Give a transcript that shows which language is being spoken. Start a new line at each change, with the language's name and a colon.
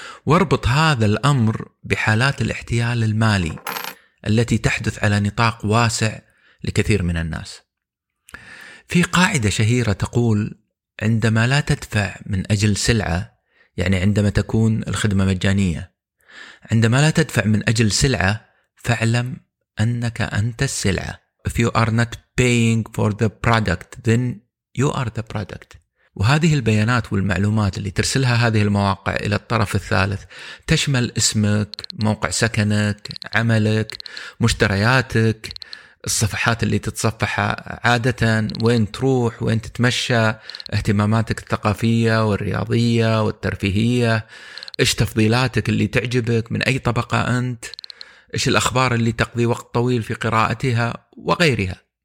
Arabic: واربط هذا الأمر بحالات الاحتيال المالي التي تحدث على نطاق واسع لكثير من الناس. في قاعدة شهيرة تقول عندما لا تدفع من أجل سلعة، يعني عندما تكون الخدمة مجانية، عندما لا تدفع من أجل سلعة فاعلم أنك أنت السلعة.
English: If you are not paying for the product then you are the product.
Arabic: وهذه البيانات والمعلومات اللي ترسلها هذه المواقع إلى الطرف الثالث تشمل اسمك، موقع سكنك، عملك، مشترياتك، الصفحات اللي تتصفحها عادة، وين تروح، وين تتمشى، اهتماماتك الثقافية والرياضية والترفيهية، ايش تفضيلاتك اللي تعجبك، من أي طبقة أنت، ايش الأخبار اللي تقضي وقت طويل في قراءتها وغيرها.